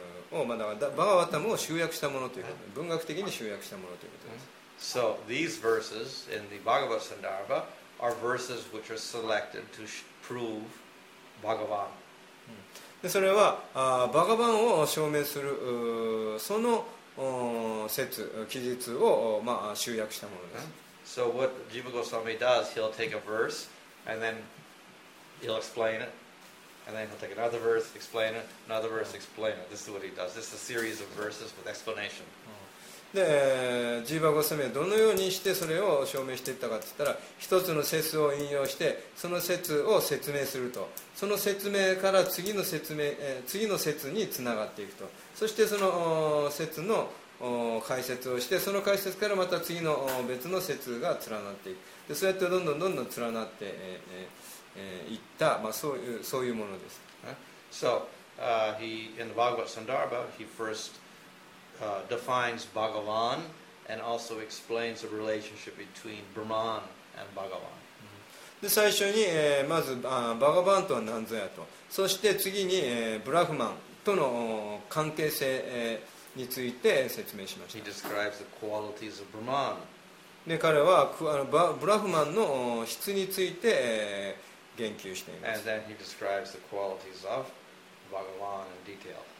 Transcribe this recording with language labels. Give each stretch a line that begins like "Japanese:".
Japanese: をまだバガバタムを集約したものということです。文学的に集約したものということです。
English: So these verses in the Bhagavata Sandarbha are verses which are selected to prove Bhagavan.
Japanese: でそれはバガバンを証明するその説記述を、まあ、集約したものです。
English: So what Jiva Goswami does, he'll take a verse and then he'll explain it. And then he'll take another verse, explain it, another verse, explain it. This is what he does. This is a series of verses with explanation.
Japanese: で、ジーバゴスミはどのようにしてそれを証明していったかって言ったら、一つの説を引用して、その説を説明すると。その説明から次の説明、次の説につながっていくと。そしてその説の解説をして、その解説からまた次の別の説が連なっていく。で、そうやってどんどんどんどん連なって、言った、まあ、そういうものです。
English: So, he, in the Bhagavata Sandarbha, he first, defines Bhagavan and also explains the relationship between Brahman and Bhagavan.
Japanese: で、最初に、まず、バガバンとは何ぞやと。そして次に、ブラフマン。との関係性について説明しました。
English: He describes the qualities of Brahman.
Japanese: で彼はブラフマンの質について言及しています。
English: And then he describes the qualities of Bhagavan in detail.